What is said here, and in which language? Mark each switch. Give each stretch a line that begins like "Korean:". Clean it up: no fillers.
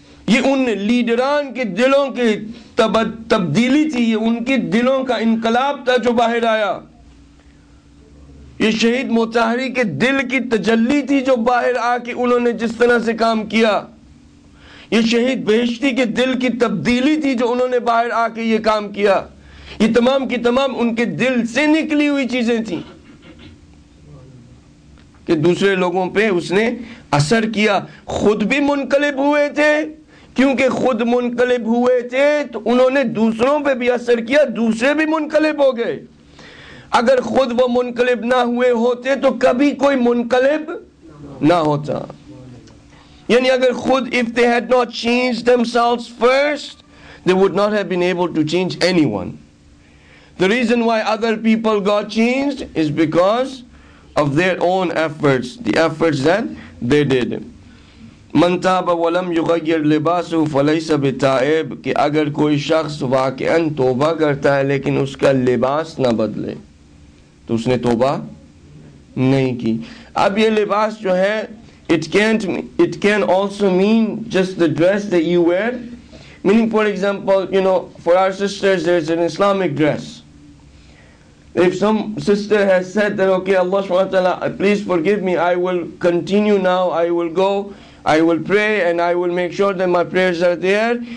Urdu: یہ ان لیڈران کے دلوں کے تبدیلی تھی، یہ ان کے دلوں کا انقلاب تھا جو باہر آیا، یہ شہید مطہری کے دل کی تجلی تھی جو باہر آ کے انہوں نے جس طرح سے کام کیا، یہ شہید بہشتی کے دل کی تبدیلی تھی جو انہوں نے باہر آ کے یہ کام کیا، یہ تمام کی تمام ان کے دل سے نکلی ہوئی چیزیں تھیں کہ دوسرے لوگوں پہ اس نے اثر کیا. خود بھی منقلب ہوئے تھے، کیونکہ خود منقلب ہوئے تھے تو انہوں نے دوسروں پہ بھی اثر کیا، دوسرے بھی منقلب ہو گئے. اگر خود وہ منقلب نہ ہوئے ہوتے تو کبھی کوئی منقلب نہ ہوتا. یعنی اگر خود
English: if they had not changed themselves first they would not have been able to change anyone. The reason why other people got changed is because of their own efforts, the efforts that they did.
Arabic: من تاب ولم یغیر لباسه فلیس بتائب،
Urdu: کہ اگر کوئی شخص واقعا توبہ کرتا ہے لیکن اس کا لباس نہ بدلے تو اس نے توبہ نہیں کی. اب یہ لباس جو ہے
English: it can also mean just the dress that you wear, meaning for example, you know, for our sisters there's an Islamic dress. If some sister has said that, okay, Allah subhanahu wa ta'ala, please forgive me, I will continue now, I will go, I will pray, and I will make sure that my prayers are there.